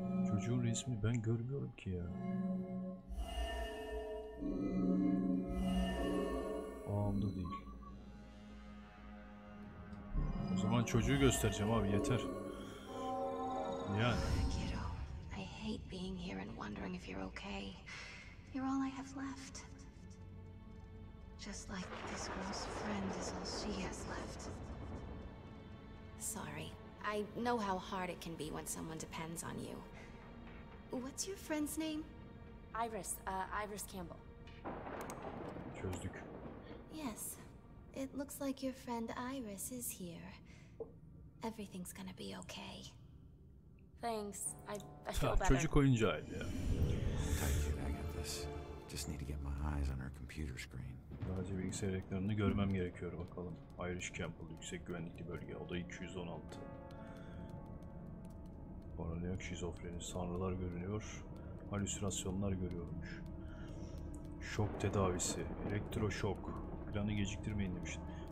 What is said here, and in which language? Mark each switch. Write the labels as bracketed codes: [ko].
[tr] Çocuğun resmi ben görmüyorum ki ya. Ağımda değil. O zaman çocuğu göstereceğim abi, yeter. Yani. [en] Hate being here and wondering if you're okay. You're all I have left. Just like this girl's friend is all she has left. Sorry. I know how hard it can be when someone depends on you. What's your friend's name? Iris. Iris Campbell. [tr] Çözdük. [en] Yes. It looks like your friend Iris is here. Everything's gonna be okay. Thanks. I feel better. [tr] Çocuk oyuncağıydı ya. [en] Thank you. I got this. Just need to get my eyes on her computer screen. [tr] Sadece bilgisayar ekranını görmem gerekiyor bakalım. Irish Campbell yüksek güvenlikli bölge. Oda 216. Paranoyak şizofreni. Sanrılar görünüyor. Halüsinasyonlar görüyormuş. Şok tedavisi. Elektroşok. Planı geciktirmeyin demiştim.